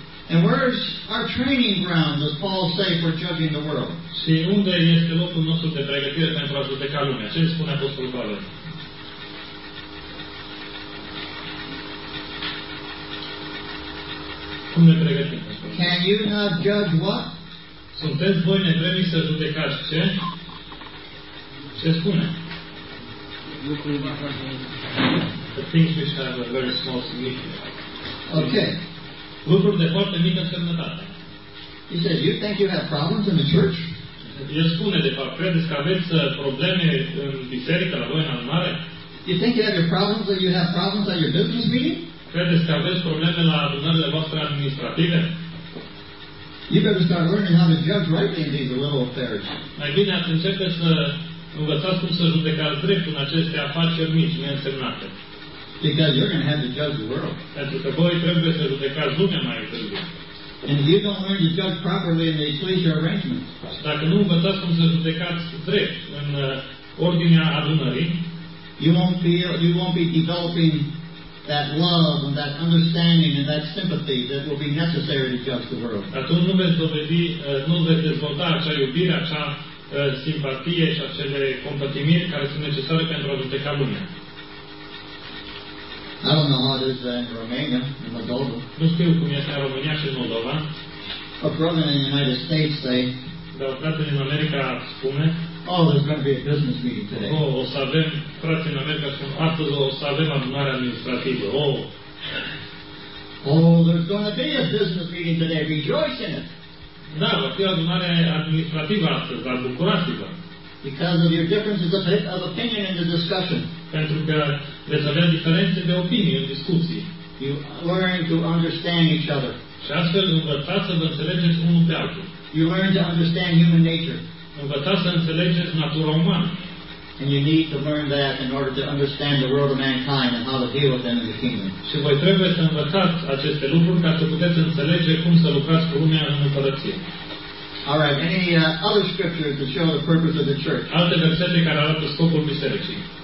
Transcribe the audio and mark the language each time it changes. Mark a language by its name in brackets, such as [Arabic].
[English] And where's our training ground, as Paul say, for judging the world? [Romanian] Și unde este locul nostru de pregătire pentru a judeca lumea? Ce spune Apostolul Pavel? Cum ne pregătim? Can you not judge what? Sunteți voi nevrednici să judecați ce? Ce spune? [English] The things which have a very small significance. Okay. [Romanian] Lucruri de foarte mică semnătate. [English] He says, you think you have problems in the church? [Romanian] El spune, de fapt, credeți că aveți probleme în biserică, la voi, în adunare? [English] You think you have your problems or you have problems at your business meeting? [Romanian] Credeți că aveți probleme la adunările voastre administrative? [English] You better start learning how to judge rightly in these little affairs. [Romanian] Mai bine ați începe să învățați cum să judecați drept în aceste afaceri mici, neînsemnate. [English] Because you're going to have to judge the world. [Romanian] Pentru că voi trebuie să judecați lumea mai târziu. [English] And if you don't learn to judge properly in the ecclesial arrangements, [Romanian] și dacă nu învățați cum să judecați drept în ordinea adunării, [English] you won't be developing that love and that understanding and that sympathy that will be necessary to judge the world. [Romanian] Atunci nu veți dovedi, nu veți dezvolta acea iubire, acea simpatie și acele compătimiri care sunt necesare pentru a judeca lumea. [English] I don't know how it is in Romania, in Moldova. [Romanian] Nu știu cum este în România și în Moldova. [English] A brother in the United States say, [Romanian] dar frate din America spune, [English] oh, there's going to be a business meeting today. [Romanian] Oh, o să avem, frate din America spune, astăzi o să avem adunare administrativă. Oh. [English] Oh, there's going to be a business meeting today. Rejoice in it. [Romanian] Da, va fi adunare administrativă astăzi, dar bucurați-vă. [English] Because of your difference of opinion in the discussion. [Romanian] Pentru că veți avea diferențe de opinie în discuții. [English] You learn to understand each other. [Romanian] Și astfel învățați să vă înțelegeți unul pe altul. [English] You learn to understand human nature. [Romanian] Învățați să înțelegeți natura umană. [English] And you need to learn that in order to understand the world of mankind and how to deal with them in the kingdom. [Romanian] Și voi trebuie să învățați aceste lucruri ca să puteți înțelege cum să lucrați cu lumea în împărăție. [English] All right, any other scriptures to show the purpose of the church? [Romanian] Alte versete care arată scopul bisericii.